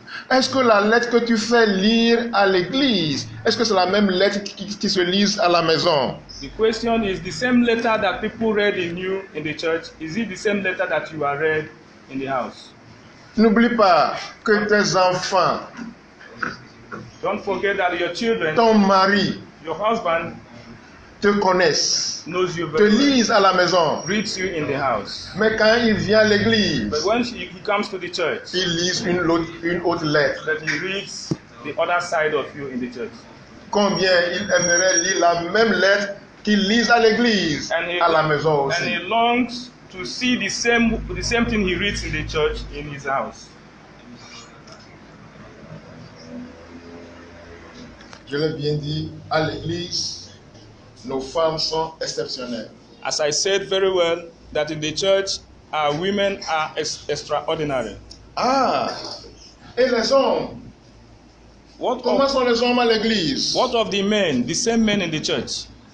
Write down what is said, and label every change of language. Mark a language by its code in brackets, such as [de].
[fr] Est-ce que la lettre que tu fais lire à l'église, est-ce que c'est la même lettre qui se lise à la maison? [en] The question is, the same letter that people read in you in the church, is it the same letter that you are read in the house? [fr] N'oublie pas que tes enfants, [en] don't forget that your children, [fr] ton mari, [en] your husband, [fr] te connaissent, [en] knows you very [fr] te lisent à la maison, [en] reads you in the house. [fr] Mais quand il vient à l'église, [en] but when he comes to the church, [fr] il lit une autre lettre, [en] that he reads the other side of you in the church. [fr] Combien il aimerait lire la même lettre qu'il lit à l'église, [en] and [fr] à la maison aussi. [en] And he longs to see the same thing he reads in the church in his house. [fr] Je l'ai bien dit, à l'église, nos femmes sont exceptionnelles. [en] As I said very well, that in the church, our women are extraordinary. [fr] Ah, et les hommes? Comment sont les hommes à l'église? [en] What of the men, the same men in the church?